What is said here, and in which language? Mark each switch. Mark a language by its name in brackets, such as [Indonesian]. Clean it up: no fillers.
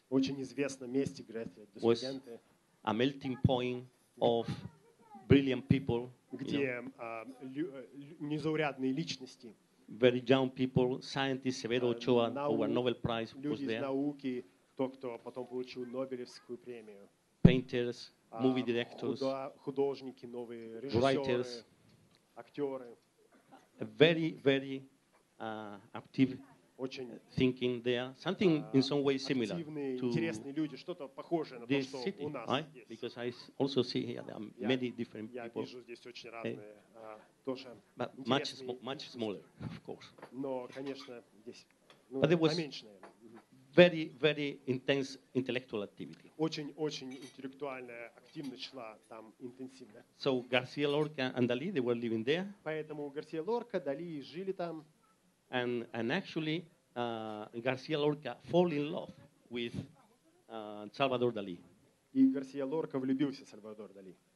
[Russian] Очень известное место, где студенты. [English] A melting point of brilliant people. [Russian] Где незаурядные личности. [English] Very young people, scientists, Severo Ochoa, our Nobel Prize was there. [Russian] Люди из науки, тот, кто потом получил Нобелевскую премию. [English] Painters, movie directors, [Russian] художники, новые режиссеры, [English] writers, [Russian] актеры. [English] Very, very active thinking there. Something in some way similar to [Russian] интересные люди, что-то похожее на то, что [English] city, [Russian] у нас [English] right? [Russian] здесь. [English] Because I also see here there are many different [Russian] я [English] people. [Russian] Я вижу здесь очень разные тоже [English] but much, much smaller, of course. [Russian] Но, конечно, здесь поменьше, наверное. [English] Very, very intense intellectual activity. [Russian] Очень-очень интеллектуальная активность шла там интенсивно. [English] So Garcia Lorca and Dalí, they were living there. [Russian] Поэтому Гарсия Лорка, Дали жили там. [English] And actually, Garcia Lorca fall in love with Salvador Dali. [Russian] И Гарсия Лорка влюбился в Сальвадор Дали.